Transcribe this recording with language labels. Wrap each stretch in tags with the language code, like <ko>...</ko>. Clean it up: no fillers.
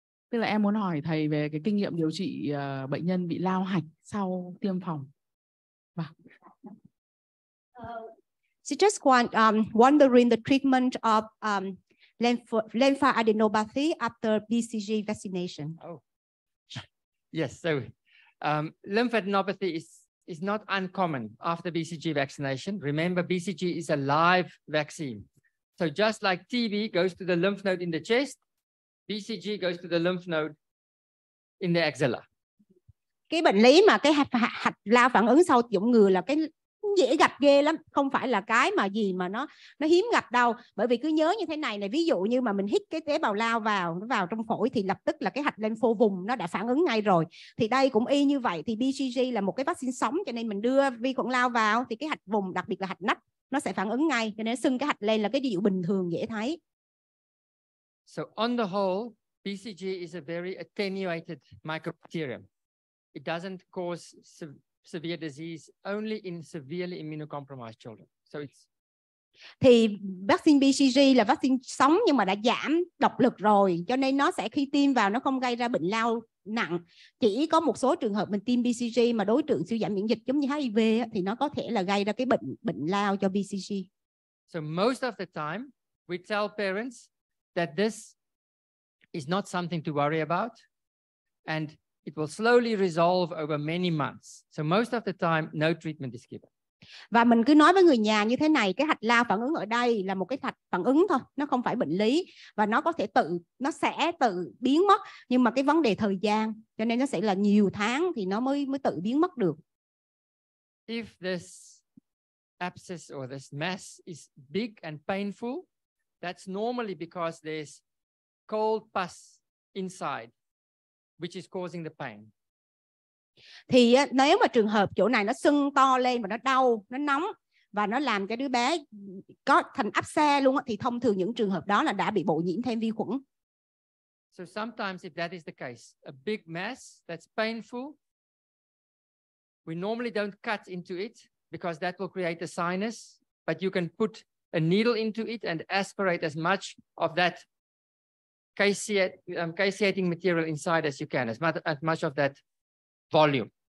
<vi>Tức là em muốn hỏi thầy về cái kinh nghiệm điều trị bệnh nhân bị lao hạch sau tiêm phòng.</vi> <en>She just want wondering the treatment of lymphadenopathy after BCG vaccination. Oh, yes. So, lymphadenopathy is not uncommon after BCG vaccination. Remember, BCG is a live vaccine. So just like TB goes to the lymph node in the chest, BCG goes to the lymph node in the axilla.</en> <vi>Cái bệnh lý mà cái hạch lao phản ứng sau tiêm ngừa là cái dễ gặp ghê lắm, không phải là cái mà gì mà nó hiếm gặp đâu. Bởi vì cứ nhớ như thế này này, ví dụ như mà mình hít cái tế bào lao vào, nó vào trong phổi thì lập tức là cái hạch lên phô vùng nó đã phản ứng ngay rồi. Thì đây cũng y như vậy, thì BCG là một cái vaccine sống, cho nên mình đưa vi khuẩn lao vào thì cái hạch vùng, đặc biệt là hạch nách, nó sẽ phản ứng ngay, cho nên sưng cái hạch lên là cái điều bình thường dễ thấy.</vi> <en>So on the whole, BCG is a very attenuated mycobacterium. It doesn't cause severe disease, only in severely immunocompromised children. So it's.</en> <vi>Thì vaccine BCG là vaccine sống nhưng mà đã giảm độc lực rồi, cho nên nó sẽ khi tiêm vào nó không gây ra bệnh lao nặng. Chỉ có một số trường hợp mình tiêm BCG mà đối tượng siêu giảm miễn dịch giống như HIV thì nó có thể là gây ra cái bệnh lao cho BCG.</vi> <en>So most of the time, we tell parents that this is not something to worry about, and it will slowly resolve over many months. So most of the time, no treatment is given.</en> <vi>Và mình cứ nói với người nhà như thế này, cái hạch lao phản ứng ở đây là một cái hạch phản ứng thôi, nó không phải bệnh lý, và nó có thể tự, nó sẽ tự biến mất, nhưng mà cái vấn đề thời gian, cho nên nó sẽ là nhiều tháng thì nó mới tự biến mất được.</vi> <en>If this abscess or this mass is big and painful, that's normally because there's cold pus inside, which is causing the pain.</en> <vi>Thì nếu mà trường hợp chỗ này nó sưng to lên và nó đau, nó nóng và nó làm cho đứa bé có thành áp xe luôn á, thì thông thường những trường hợp đó là đã bị bội nhiễm thêm vi khuẩn.</vi> <en>So sometimes if that is the case, a big mass that's painful, we normally don't cut into it because that will create a sinus, but you can put a needle into it and aspirate as much of that caseating material inside as you can, as much of that volume.</en>